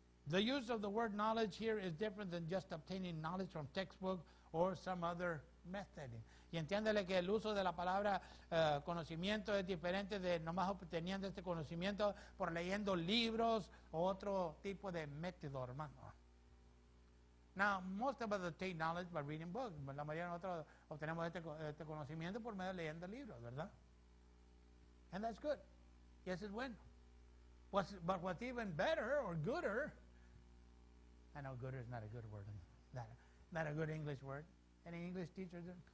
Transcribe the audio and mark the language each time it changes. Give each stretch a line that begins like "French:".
English: The use of the word knowledge here is different than just obtaining knowledge from textbook or some other method.
Spanish: Y entiéndele que el uso de la palabra conocimiento es diferente de nomás obteniendo este conocimiento por leyendo libros o otro tipo de método, hermano.
English: Now, most of us obtain knowledge by reading books.
Spanish: La mayoría de nosotros obtenemos este conocimiento por medio de leyendo libros, ¿verdad?
English: And that's good. Yes, it's bueno. But what's even better or gooder, I know gooder is not a good word, not a good English word. Any English teachers?